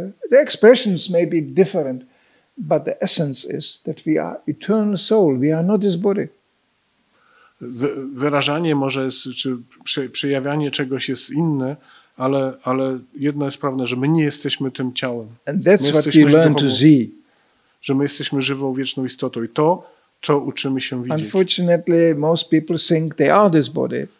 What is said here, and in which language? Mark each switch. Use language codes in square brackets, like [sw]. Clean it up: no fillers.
[en] The expressions may be different, but the essence is that we are eternal soul. We are not this body. [pl] Wyrażanie może jest, czy przejawianie czegoś jest inne, ale jedno jest prawne, że my nie jesteśmy tym ciałem. [en] And that's what we learn to see. [pl] Że my jesteśmy żywą, wieczną istotą i to, co uczymy się widzieć. [en] Unfortunately, most people think they are this body.